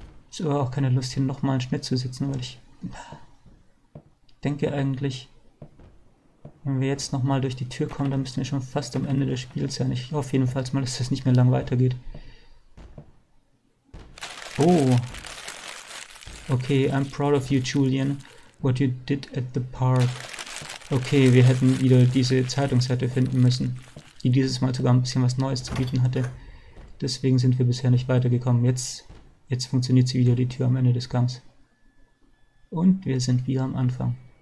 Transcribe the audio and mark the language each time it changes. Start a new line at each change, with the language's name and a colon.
German: Ist aber auch keine Lust, hier nochmal einen Schnitt zu setzen, weil ich denke eigentlich, wenn wir jetzt nochmal durch die Tür kommen, dann müssten wir schon fast am Ende des Spiels sein. Ich hoffe jedenfalls mal, dass das nicht mehr lang weitergeht. Oh.
English: Okay, I'm proud of you, Julian. What you did at the park.
German: Okay, wir hätten wieder diese Zeitungsseite finden müssen, die dieses Mal sogar ein bisschen was Neues zu bieten hatte. Deswegen sind wir bisher nicht weitergekommen. Jetzt funktioniert sie wieder, die Tür am Ende des Gangs. Und wir sind wieder am Anfang.